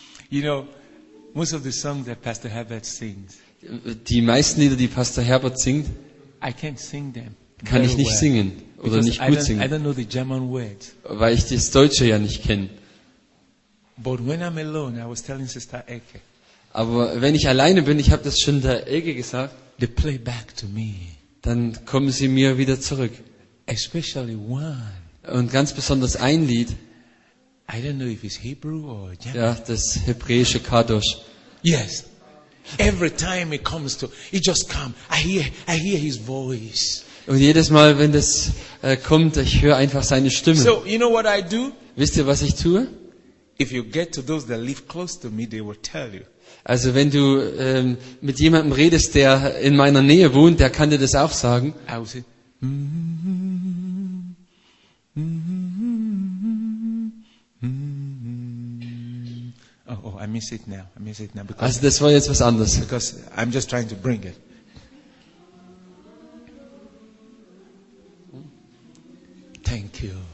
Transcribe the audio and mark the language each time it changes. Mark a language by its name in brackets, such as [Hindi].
[English] You know, most of the songs that Pastor Herbert sings. [German] Die meisten Lieder, die Pastor Herbert singt, [English] I can't sing them. [German] Kann ich nicht singen oder nicht gut singen. [English] I don't know the German words. [German] Weil ich das Deutsche ja nicht kenne. [English] But when I'm alone, I was telling Sister Elke. [German] Aber wenn ich alleine bin, ich habe das schon der Elke gesagt. [English] They play back to me. [German] Dann kommen sie mir wieder zurück. [English] Especially one. [German] Und ganz besonders ein Lied. [English] I don't know if it's Hebrew or German. [German] Ja, das hebräische Kadosh. [English] Yes. Every time it comes to, it just comes. I hear his voice. [German] Und jedes Mal, wenn das kommt, ich höre einfach seine Stimme. [English] So, you know what I do? [German] Wisst ihr, was ich tue? [English] If you get to those that live close to me, they will tell you. [German] Also wenn du mit jemandem redest, der in meiner Nähe wohnt, der kann dir das auch sagen. [English] I miss it now. [German] Also das war jetzt was anderes. [English] Because I'm just trying to bring it. Thank you.